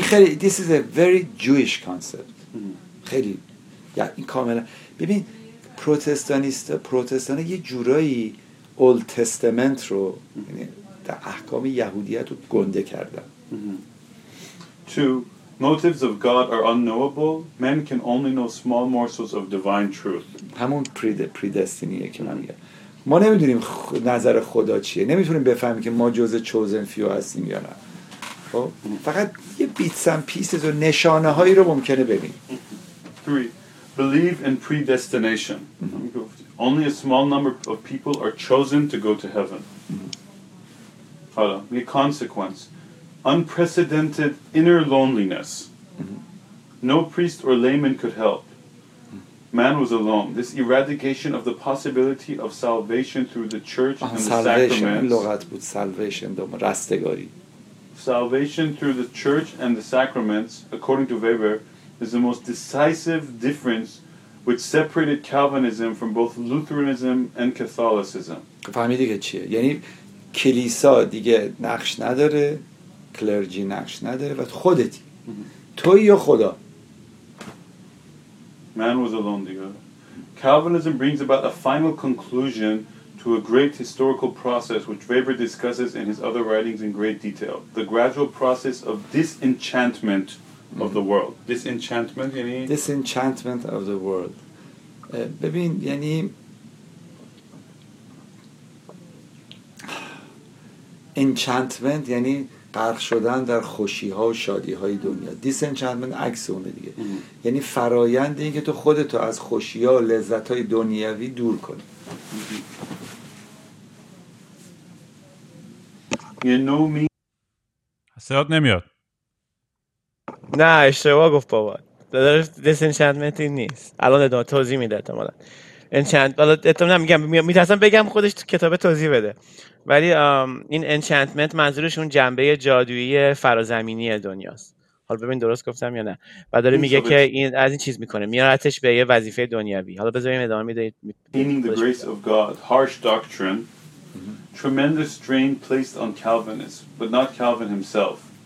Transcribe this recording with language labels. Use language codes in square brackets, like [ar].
[fa] خیلی [en] this is a very Jewish concept. [fa] خیلی این کاملا ببین پروتستانیست یه جورایی اولد تستامنت رو یعنی در احکام یهودیت رو گنده کردن. [en] Two, motives of God are unknowable. Men can only know small morsels of divine truth. [fa] همون predestinyه که من میگم. ما نمیدونیم نظر خدا چیه. نمیتونیم بفهمیم که ما جزء [en] chosen few [fa] هستیم یا نه. خب؟ فقط یه [en] bits and pieces [fa] و نشانه هایی رو ممکنه ببینیم. [en] Three, believe in predestination. Only a small number of people are chosen to go to heaven. [fa] حالا یه [en] consequence. Unprecedented inner loneliness. No priest or layman could help. Man was alone. This eradication of the possibility of salvation through the church and the sacraments. [fa] لغت بود salvation دوم رستگاری. [en] Salvation through the church and the sacraments, according to Weber, is the most decisive difference which separated Calvinism from both Lutheranism and Catholicism. [fa] فهمیدی که چیه؟ یعنی کلیسا دیگه نقش نداره. کلرژی نقش نداره و خودتی توی یا خدا [en] Man was alone دیگه. Calvinism brings about a final conclusion to a great historical process which Weber discusses in his other writings in great detail. The gradual process of disenchantment of the world. [fa] Disenchantment یعنی [en] disenchantment of the world. [fa] ببین یعنی enchantment یعنی غرق شدن در خوشی ها و شادی های دنیا. disenchantment عکس اونه دیگه. یعنی فرایند این که تو خودتو از خوشی ها و لذت های دنیاوی دور کنی. صدات نمیاد. نه اشتباه گفت بابا. داداش disenchantment نیست. الان ادامه توضیح میده احتمالاً. enchantment الان میگم میترسم بگم خودش تو کتاب توضیح بده. ولی این انچنتمنت منظورش اون جنبه جادویی فرازمینی دنیاست. حالا ببین درست گفتم یا نه. و داره میگه که این از این چیز میکنه. میارتش به یه وظیفه دنیاوی. حالا بذاریم ادامه میدهید. [en] Meaning the grace of God, harsh doctrine, tremendous strain placed on Calvinists, but not Calvin himself.